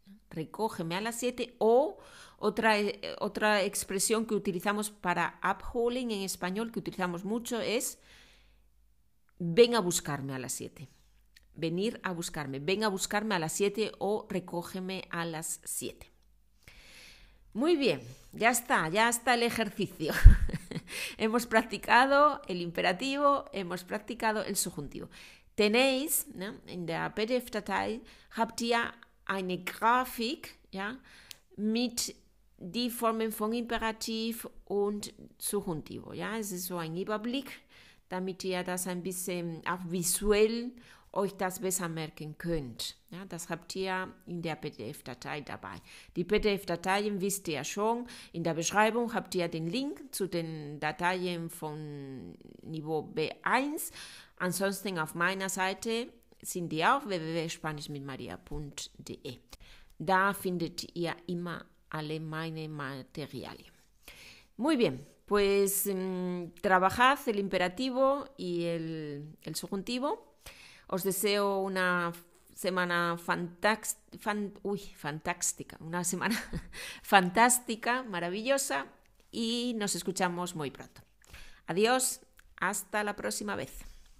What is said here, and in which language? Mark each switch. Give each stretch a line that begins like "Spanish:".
Spanish: Recógeme a las 7 o otra expresión que utilizamos para upholding en español, que utilizamos mucho, es ven a buscarme a las 7. Venir a buscarme. Ven a buscarme a las 7 o recógeme a las 7. Muy bien, ya está el ejercicio. Hemos practicado el imperativo, hemos practicado el subjuntivo. Tenéis, ¿no?
German: In der PDF-Datei habt ihr eine Grafik, ja, mit die Formen von Imperativ und Subjuntivo. Ja, es ist so ein Überblick, damit ihr das ein bisschen auch visuell euch das besser merken könnt. Ja, das habt ihr in der PDF-Datei dabei. Die PDF-Dateien wisst ihr schon. In der Beschreibung habt ihr den Link zu den Dateien von Niveau B1. Ansonsten auf meiner Seite sind die auch www.spanischmitmaria.de. Da findet ihr immer alle meine Materialien.
Spanish: Muy bien, pues trabajad el imperativo y el subjuntivo. Os deseo una semana fantástica, una semana fantástica, maravillosa, y nos escuchamos muy pronto. Adiós, hasta la próxima vez.